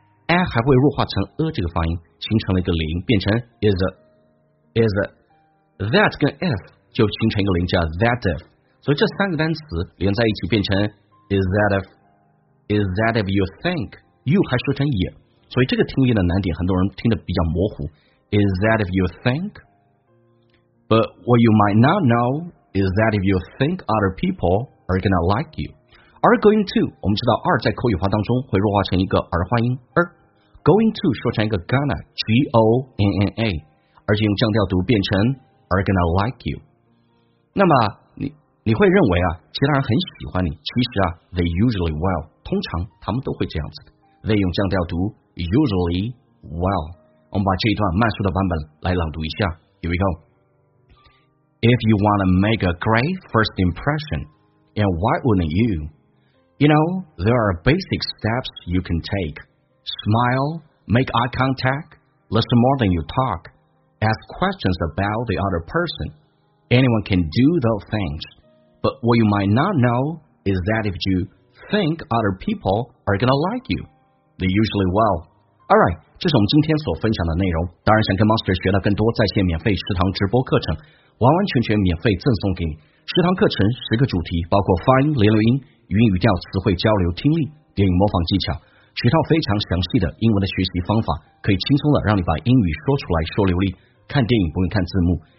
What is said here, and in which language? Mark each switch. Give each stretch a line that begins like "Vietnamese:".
Chinese: I 还会弱化成 a 这个发音，形成了一个零，变成 is that 跟 f 就形成一个零，叫 that if。所以这三个单词连在一起变成
English: is that if you think you
Chinese: 还说成 yeah。所以这个听力的难点，很多人听得比较模糊。
English: Is that if you think? But what you might not know is that if you think other people are gonna like you, are going to。
Chinese: 我们知道二在口语化当中会弱化成一个儿化音二。 Going to 说成一个 gonna G O N N A， 而且用降调读变成
English: are gonna like you。
Chinese: 那么你会认为啊，其他人很喜欢你，其实啊
English: they usually will，
Chinese: 通常他们都会这样子的。
English: They
Chinese: 用降调读
English: usually will。
Chinese: 我们把这一段慢速的版本来朗读一下。
English: Here we go。 If you wanna make a great first impression, and why wouldn't you? You know there are basic steps you can take. Smile, make eye contact, listen more than you talk, ask questions about the other person. Anyone can do those things. But what you might not know is that if you think other people are going to like you, they usually will. All right,
Chinese: 这是我们今天所分享的内容。当然想跟 Monster 学到更多在线免费食堂直播课程，完完全全免费赠送给你。食堂课程十个主题，包括发音、连留音、语音语调、词汇交流、听力、电影模仿技巧，是一套非常详细的英文的学习方法，可以轻松的让你把英语说出来说流利，看电影不用看字幕。